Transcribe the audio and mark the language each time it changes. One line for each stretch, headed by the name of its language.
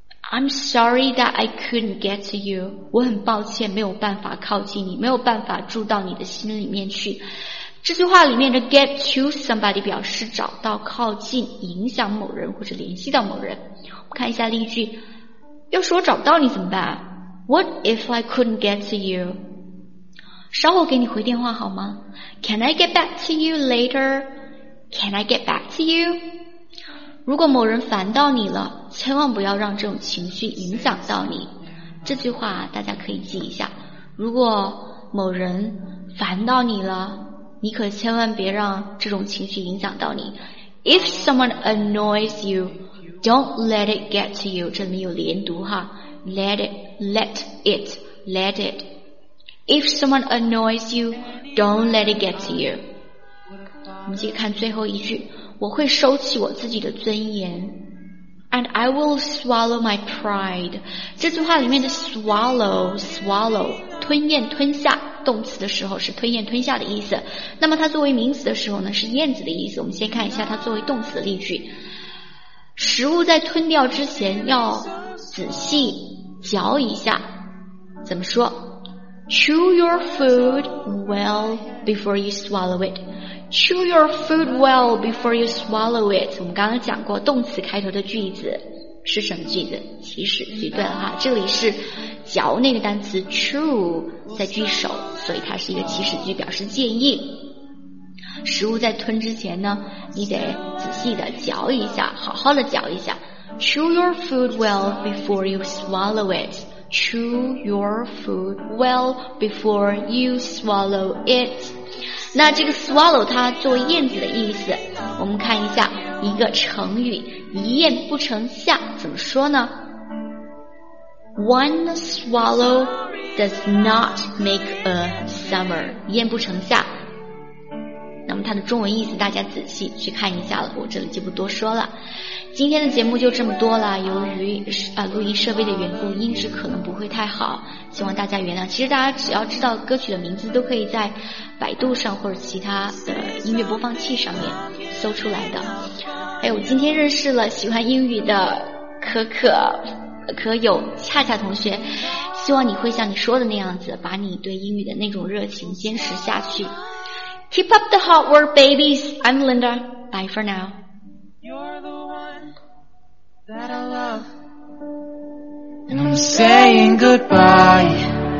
English: I'm sorry that I couldn't get to you.
Chinese: 我很抱歉没有办法靠近你，没有办法住到你的心里面去。这句话里面的 get to somebody 表示找到、靠近、影响某人或者联系到某人。我们看一下例句。要是我找不到你怎么办？
English: What if I couldn't get to you?
Chinese: 稍后给你回电话好吗？
English: Can I get back to you later? Can I get back to you?
Chinese: 如果某人烦到你了，千万不要让这种情绪影响到你。这句话大家可以记一下，如果某人烦到你了，你可千万别让这种情绪影响到你。
English: If someone annoys youDon't let it get to you.
Chinese: 这里面有连读哈。
English: Let it. If someone annoys you, don't let it get to you.
Chinese: 我们接着看最后一句。我会收起我自己的尊严。
English: And I will swallow my pride.
Chinese: 这句话里面的 swallow, 吞咽吞下，动词的时候是吞咽吞下的意思。那么它作为名词的时候呢，是燕子的意思。我们先看一下它作为动词的例句。食物在吞掉之前要仔细嚼一下，怎么说？
English: Chew your food well before you swallow it. Chew your food well before you swallow it.
Chinese: 我们刚刚讲过动词开头的句子是什么句子？祈使句，对了哈，这里是嚼那个单词 chew 在句首，所以它是一个祈使句，表示建议。食物在吞之前呢，你得仔细的嚼一下，好好的嚼一下。
English: Chew your food well before you swallow it. Chew your food well before you swallow it.
Chinese: 那这个 swallow 它作为燕子的意思，我们看一下一个成语，一咽不成下怎么说呢？
English: One swallow does not make a summer.
Chinese: 一咽不成下。那么它的中文意思大家仔细去看一下了，我这里就不多说了。今天的节目就这么多了，由于录音设备的缘故音质可能不会太好，希望大家原谅。其实大家只要知道歌曲的名字都可以在百度上或者其他的音乐播放器上面搜出来的。还有今天认识了喜欢英语的可可可有恰恰同学，希望你会像你说的那样子，把你对英语的那种热情坚持下去。
English: Keep up the hard work, babies. I'm Linda. Bye for now. You're the one that I love. And I'm saying goodbye.